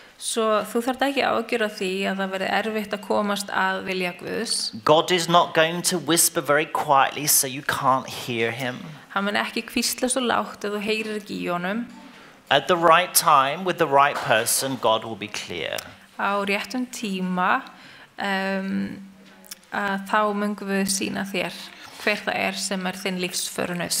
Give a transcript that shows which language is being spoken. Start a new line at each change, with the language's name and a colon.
Icelandic: So þú þarft ekki áhyggjur af því að það verði erfitt að komast að vilja Guðs.
English: God is not going to whisper very quietly so you can't hear him.
Icelandic: Hann mun ekki hvísla svo lágt að þú heyrir ekki í honum.
English: At the right time with the right person God will be clear.
Icelandic: Á réttum tíma að þá mun Guð sýna þér hver það er sem er þinn lífsförunaut.